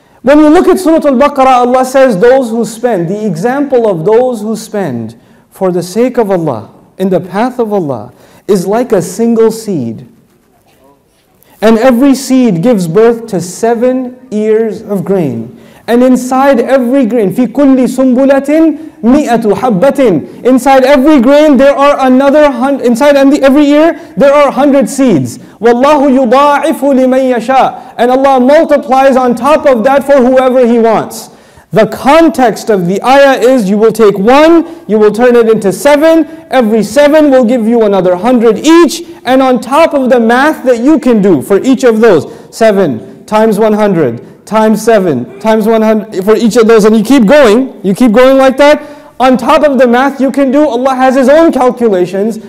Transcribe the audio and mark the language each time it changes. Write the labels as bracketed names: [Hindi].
[English] When you look at Surah Al-Baqarah, Allah says those who spend, the example of those who spend for the sake of Allah, in the path of Allah, is like a single seed. And every seed gives birth to 7 ears of grain. And inside every grain, [Arabic] فِي كُلِّ سُنْبُلَةٍ مِئَةُ حَبَّةٍ. [English] Inside every grain, there are another 100, inside every ear, there are 100 seeds. [Arabic] وَاللَّهُ يُضَاعِفُ لِمَنْ يَشَاءُ. [English] And Allah multiplies on top of that for whoever He wants. The context of the ayah is, you will take one, you will turn it into seven, every seven will give you another 100 each, and on top of the math that you can do for each of those, 7 times 100, times 7, times 100, for each of those, and you keep going like that, on top of the math you can do, Allah has His own calculations.